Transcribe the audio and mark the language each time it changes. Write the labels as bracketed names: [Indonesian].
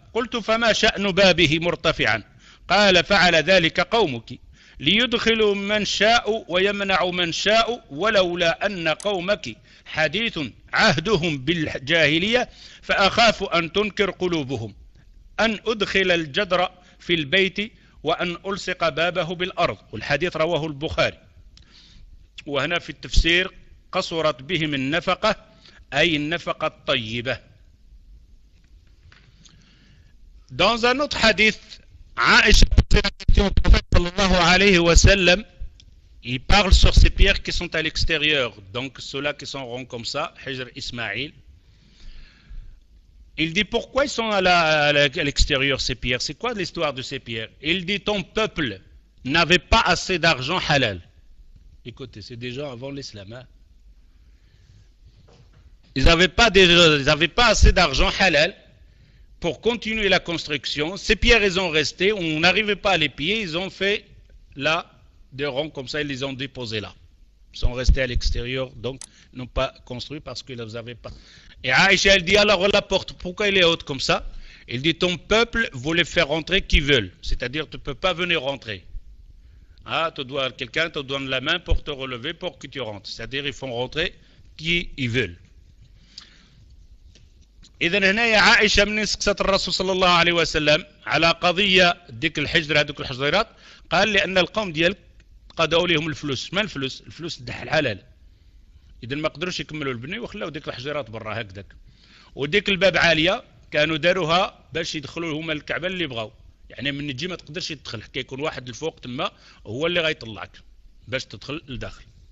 [Arabic] قلت فما شأن بابه مرتفعا؟ قال فعل ذلك قومك ليدخلوا من شاء ويمنع من شاء، ولولا أن قومك حديث عهدهم بالجاهلية فأخاف أن تنكر قلوبهم أن أدخل الجدر في البيت وأن ألصق بابه بالأرض. والحديث رواه البخاري. وهنا في التفسير قصرت بهم النفقة أي النفقة الطيبة. [French] دونز نوت [Arabic] حديث عائشة صلى الله عليه وسلم [French] il parle sur ces pierres qui sont à l'extérieur, donc ceux-là qui sont ronds comme ça, Hijr Ismaïl. Il dit pourquoi ils sont à l'extérieur ces pierres, c'est quoi l'histoire de ces pierres? Il dit ton peuple n'avait pas assez d'argent halal. Écoutez, c'est déjà avant l'islam, hein? Ils n'avaient pas assez d'argent halal pour continuer la construction. Ces pierres, elles ont resté, on n'arrivait pas à les piller, ils ont fait là des ronds comme ça, ils les ont déposés là. Ils sont restés à l'extérieur, donc n'ont pas construit parce qu'ils n'avaient pas. Et Aïcha, elle dit, alors la porte, pourquoi elle est haute comme ça? Il dit, ton peuple voulait faire rentrer qui veulent. C'est-à-dire, tu ne peux pas venir rentrer. Ah, tu dois, quelqu'un te donne la main pour te relever, pour que tu rentres. C'est-à-dire, ils font rentrer qui ils veulent. [Arabic] إذن هنا يا عائشة من سكسة الرسول صلى الله عليه وسلم على قضية ديك الحجر هذوك الحجيرات، قال لأن القوم ديالك قضوا لهم الفلوس. ما الفلوس؟ الفلوس ده الحلال. إذن ما قدروش يكملوا البني وخلاو ديك الحجيرات برا هكذاك، وديك الباب عالية كانوا داروها باش يدخلوا هما الكعبة اللي بغاو، يعني من تجي ما تقدرش تدخل، كيكون واحد الفوق تما هو اللي غيطلعك باش تدخل لداخل.